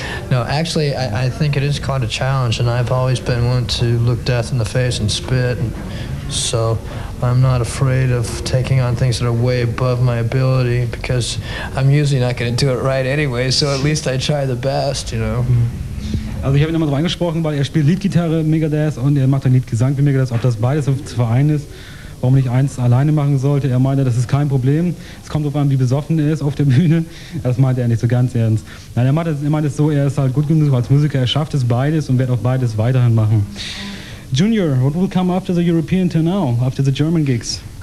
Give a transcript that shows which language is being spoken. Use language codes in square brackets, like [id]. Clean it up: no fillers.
[en] No, actually, I think it is quite a challenge, and I've always been one to look death in the face and spit, and so I'm not afraid of taking on things that are way above my ability, because I'm usually not going to do it right anyway, so at least I try the best, you know. [de] Also ich habe ihn nochmal drauf angesprochen, weil er spielt Leadgitarre Megadeth und er macht dann Leadgesang wie Megadeth, ob das beides zu vereinen ist, warum nicht eins alleine machen sollte. Er meinte, das ist kein Problem. Es kommt darauf an, wie besoffen er ist auf der Bühne. Das meinte er nicht so ganz ernst. Nein, er meinte es so, er ist halt gut genug als Musiker. Er schafft es beides und wird auch beides weiterhin machen. [en] Junior, what will come after the European tour now, after the German gigs?